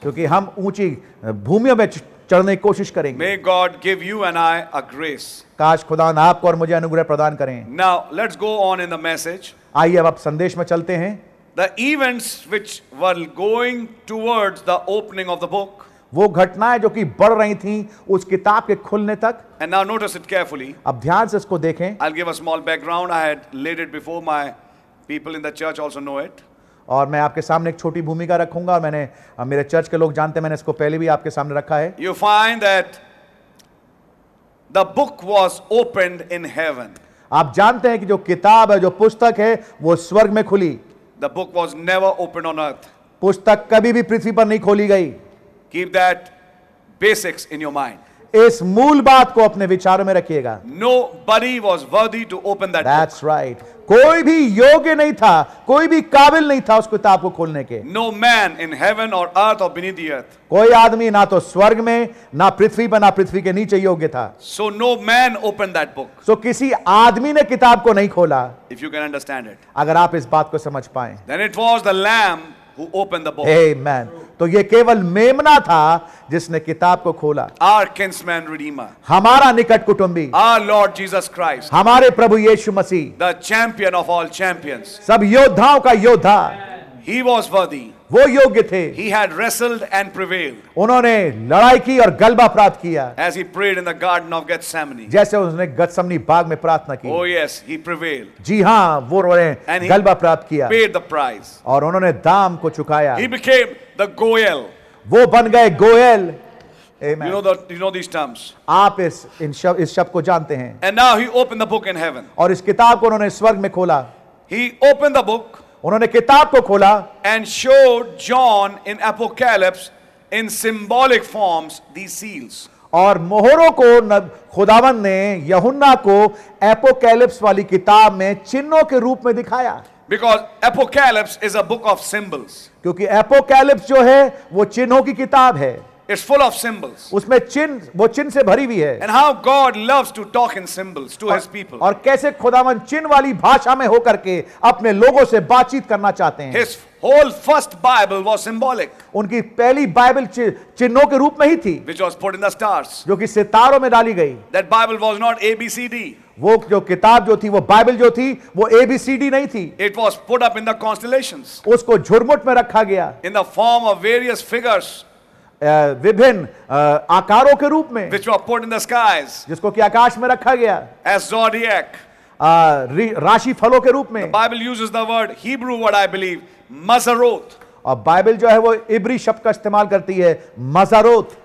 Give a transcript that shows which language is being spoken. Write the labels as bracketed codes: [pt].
[hi] क्योंकि हम ऊंची भूमियों में चढ़ने की कोशिश करेंगे. [en] May God give you and I a grace. [hi] काश खुदा आपको और मुझे अनुग्रह प्रदान करें. [en] Now let's go on in the message. [hi] आइए अब संदेश में चलते हैं. [en] The events which were going towards the opening of the book. [hi] वो घटनाएं जो कि बढ़ रही थीं उस किताब के खुलने तक. [en] And now notice it carefully. [hi] अब ध्यान से इसको देखें. [en] I'll give a small background. I had laid it before my people in the church also know it. [hi] और मैं आपके सामने एक छोटी भूमिका रखूंगा. मैंने मेरे चर्च के लोग जानते हैं मैंने इसको पहले भी आपके सामने रखा है. [en] You find that the book was opened in heaven. [hi] आप जानते हैं कि जो किताब है जो पुस्तक है वो स्वर्ग में खुली. [en] The book was never opened on earth. [hi] पुस्तक कभी भी पृथ्वी पर नहीं खोली गई. [en] Keep that basics in your mind. [hi] इस मूल बात को अपने विचारों में रखिएगा. [en] Nobody was worthy to open that. That's right. [hi] कोई भी योग्य नहीं था. कोई भी काबिल नहीं था उस किताब को खोलने के. [en] No man in heaven or earth or beneath the earth. [hi] कोई आदमी ना तो स्वर्ग में ना पृथ्वी पर ना पृथ्वी के नीचे योग्य था. [en] So no man opened that book. [hi] So किसी आदमी ने किताब को नहीं खोला. [en] If you can understand it. [hi] अगर आप इस बात को समझ पाएं. [en] Then it was the Lamb who opened the book. [hi] Amen. तो ये केवल मेमना था जिसने किताब को खोला. [en] Our kinsman redeemer. [hi] हमारा निकट कुटुंबी. [en] Our Lord Jesus Christ. [hi] हमारे प्रभु यीशु मसीह. [en] The champion of all champions. [hi] सब योद्धाओं का योद्धा. [en] He was worthy. [hi] वो योग्य थे. [en] He had wrestled and prevailed. [hi] उन्होंने लड़ाई की और गलबा प्राप्त किया. [en] As he prayed in the garden of Gethsemane. [hi] जैसे उसने गतसमनी बाग में प्रार्थना की. [en] Oh yes, he prevailed. [hi] जी हाँ, वो उन्होंने गलबा प्राप्त किया. [en] Paid the price. [hi] और उन्होंने दाम को चुकाया. [en] He became the goel. [hi] वो बन गए Goyal. [en] Amen. You know these terms. [hi] आप इस शब्द को जानते हैं. [en] And now he opened the book in heaven. [hi] और इस किताब को उन्होंने स्वर्ग में खोला. [en] He opened the book. [hi] उन्होंने किताब को खोला. [en] And showed John in Apocalypse in symbolic forms these seals. [hi] और मोहरों को खुदावन ने यहुन्ना को एपोकैलिप्स वाली किताब में चिन्हों के रूप में दिखाया. [en] Because Apocalypse is a book of symbols. [hi] क्योंकि एपोकैलिप्स जो है वो चिन्हों की किताब है. [en] It's full of symbols. [hi] उसमें चिन्ह, वो चिन्ह से भरी हुई है. [en] And how God loves to talk in symbols to his people. [hi] और कैसे खुदावन चिन्ह वाली भाषा में होकर के अपने लोगों से बातचीत करना चाहते हैं. [en] His whole first Bible was symbolic. [hi] उनकी पहली बाइबल चिन्हों के रूप में ही थी. [en] Which was put in the stars. [hi] जो कि सितारों में डाली गई. [en] That Bible was not A B C D. [hi] वो जो किताब जो थी, वो बाइबल जो थी, वो ए बी सी डी नहीं थी. [en] It was put up in the constellations. [hi] उसको झुरमुट में रखा गया. [en] In the form of various figures. [hi] विभिन्न आकारों के रूप में. [en] Which were put in the skies. [hi] जिसको कि आकाश में रखा गया. [en] As zodiac. [hi] राशि फलों के रूप में. [en] The Bible uses the word Hebrew word I believe Maseroth. [hi] और बाइबल जो है वो इब्री शब्द का इस्तेमाल करती है Maseroth.